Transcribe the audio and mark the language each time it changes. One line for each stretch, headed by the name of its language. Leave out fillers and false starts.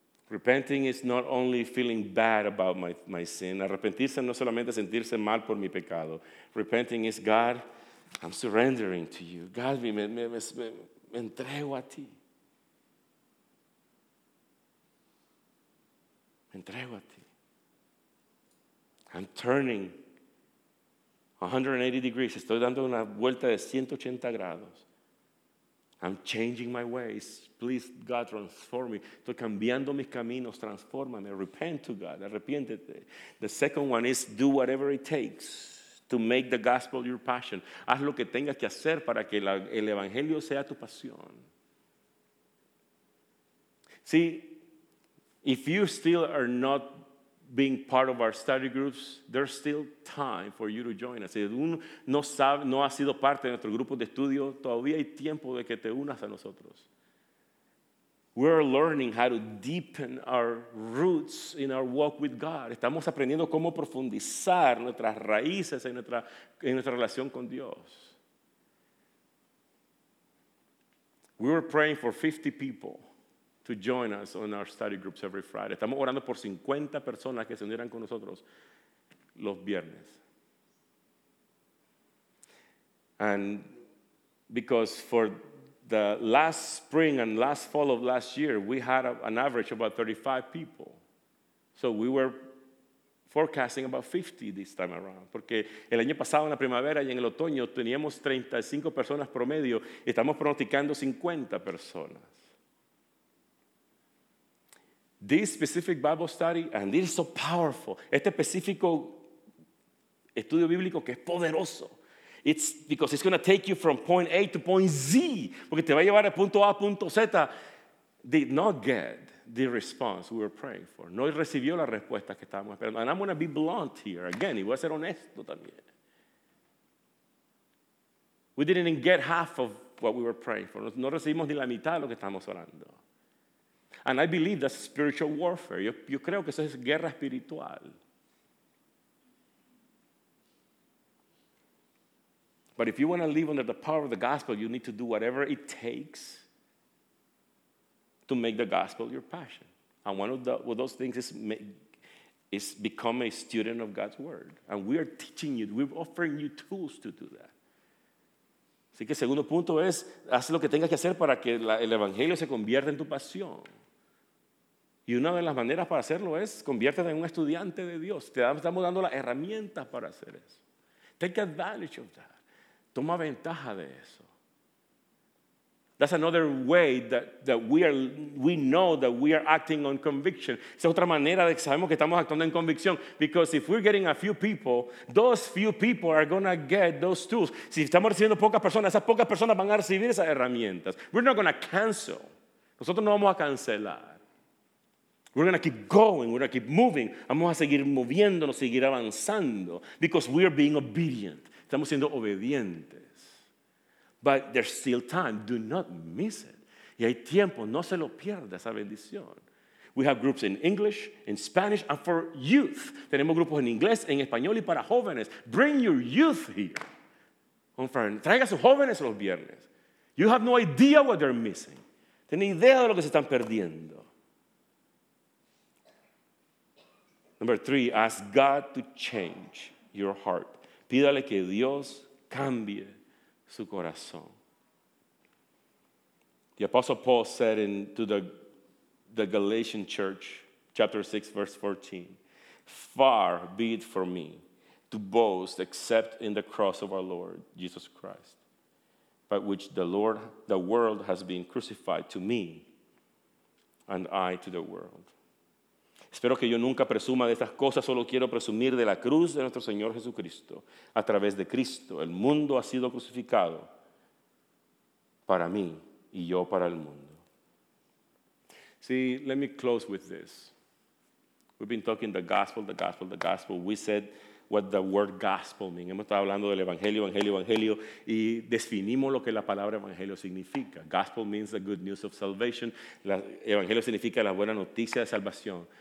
English: Repenting is not only feeling bad about my sin.
Spanish: Arrepentirse no solamente sentirse mal por mi pecado.
English: Repenting is, God, I'm surrendering to you. God,
Spanish: me entrego a ti. Me entrego a ti.
English: I'm turning 180 degrees.
Spanish: Estoy dando una vuelta de 180 grados.
English: I'm changing my ways. Please, God, transform me.
Spanish: Estoy cambiando mis caminos. Transfórmame.
English: Repent to God.
Spanish: Arrepiéntete.
English: The second one is, do whatever it takes to make the gospel your passion.
Spanish: Haz lo que tengas que hacer para que el evangelio sea tu pasión.
English: See, if you still are not being part of our study groups, there's still time for you to join us.
Spanish: Si uno no sabe, no ha sido parte de nuestro grupo de estudio, todavía hay tiempo de que te unas a nosotros.
English: We're learning how to deepen our roots in our walk with God.
Spanish: Estamos aprendiendo cómo profundizar nuestras raíces en nuestra relación con Dios.
English: We were praying for 50 people to join us on our study groups every Friday.
Spanish: Estamos orando por 50 personas que se unieran con nosotros los viernes.
English: And because for the last spring and last fall of last year, we had an average of about 35 people. So we were forecasting about 50 this time around.
Spanish: Porque el año pasado, en la primavera y en el otoño, teníamos 35 personas promedio. Estamos pronosticando 50 personas.
English: This specific Bible study, and it is so powerful.
Spanish: Este específico estudio bíblico que es poderoso.
English: It's because it's going to take you from point A to point Z.
Spanish: Porque te va a llevar de punto A a punto Z.
English: Did not get the response we were praying for.
Spanish: No recibió la respuesta que estábamos esperando.
English: And I'm going to be blunt here again.
Spanish: Y voy a ser honesto también.
English: We didn't get half of what we were praying for.
Spanish: No recibimos ni la mitad de lo que estábamos orando.
English: And I believe that's spiritual warfare.
Spanish: Yo creo que eso es guerra espiritual.
English: But if you want to live under the power of the gospel, you need to do whatever it takes to make the gospel your passion. And one of those things is become a student of God's word. And we are teaching you, we're offering you tools to do that.
Spanish: Así que el segundo punto es, haz lo que tengas que hacer para que el evangelio se convierta en tu pasión. Y una de las maneras para hacerlo es, conviértete en un estudiante de Dios. Estamos dando las herramientas para hacer eso.
English: Take advantage of that.
Spanish: Toma ventaja de eso.
English: That's another way that we know that we are acting on conviction.
Spanish: Esa es otra manera de que sabemos que estamos actuando en convicción.
English: Because if we're getting a few people, those few people are going to get those tools.
Spanish: Si estamos recibiendo pocas personas, esas pocas personas van a recibir esas herramientas.
English: We're not going to cancel.
Spanish: Nosotros no vamos a cancelar.
English: We're going to keep going. We're going to keep moving.
Spanish: Vamos a seguir moviéndonos, seguir avanzando.
English: Because we are being obedient.
Spanish: Estamos siendo obedientes.
English: But there's still time. Do not miss it.
Spanish: Y hay tiempo. No se lo pierda esa bendición.
English: We have groups in English, in Spanish, and for youth.
Spanish: Tenemos grupos en inglés, en español y para jóvenes.
English: Bring your youth here.
Spanish: Traiga a sus jóvenes los viernes.
English: You have no idea what they're missing.
Spanish: Tiene idea de lo que se están perdiendo.
English: Number three, ask God to change your heart.
Spanish: Pídale que Dios cambie su corazón.
English: The Apostle Paul said to the Galatian church, chapter 6, verse 14, far be it from me to boast except in the cross of our Lord Jesus Christ, by which the world has been crucified to me and I to the world.
Spanish: Espero que yo nunca presuma de estas cosas, solo quiero presumir de la cruz de nuestro Señor Jesucristo. A través de Cristo, el mundo ha sido crucificado para mí y yo para el mundo.
English: See, let me close with this. We've been talking the gospel, the gospel, the gospel. We said what the word gospel means.
Spanish: Hemos estado hablando del evangelio, evangelio, evangelio, y definimos lo que la palabra evangelio significa.
English: Gospel means the good news of salvation.
Spanish: Evangelio significa la buena noticia de salvación.